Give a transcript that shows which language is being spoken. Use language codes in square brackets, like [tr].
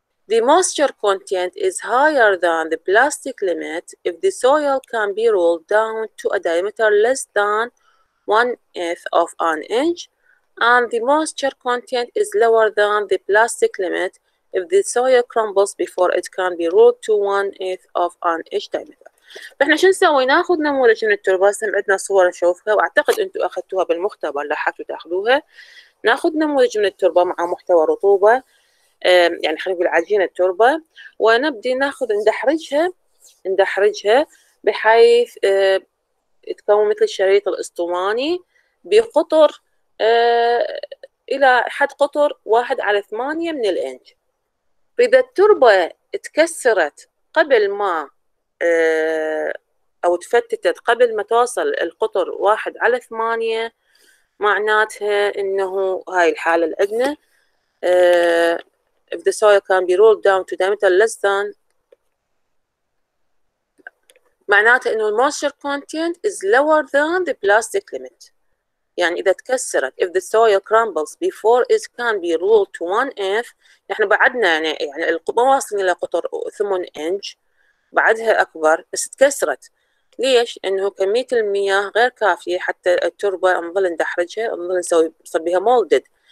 [en] The moisture content is higher than the plastic limit if the soil can be rolled down to a diameter less than 1/8 of an inch, and the moisture content is lower than the plastic limit if the soil crumbles before it can be rolled to 1/8 of an inch diameter. [ar] فاحنا شو نسوي؟ ناخذ نموذج من التربة، عندنا صور نشوفها واعتقد انتم اخذتوها بالمختبر، لاحقتوا تاخذوها. ناخذ نموذج من التربة مع محتوى رطوبة، يعني خلينا نقول عجينة التربة، ونبدي ناخذ ندحرجها بحيث تكون مثل الشريط الاسطواني بقطر الى حد قطر 1/8 من الانج. فاذا التربة اتكسرت قبل ما أو تفتتت قبل ما توصل القطر 1/8، معناتها إنه هاي الحالة الأدنى. [en] If the soil can be rolled down to diameter less than، [ar] معناتها إنه [en] the moisture content is lower than the plastic limit. [ar] يعني إذا تكسرت، [en] if the soil crumbles before it can be rolled to 1/8، [ar] نحن بعدنا يعني ما واصلين إلى قطر 8 إنج، بعدها أكبر، بس تكسرت. ليش؟ إنه كمية المياه غير كافية حتى التربة نظل ندحرجها، نظل نسوي بها مولدد،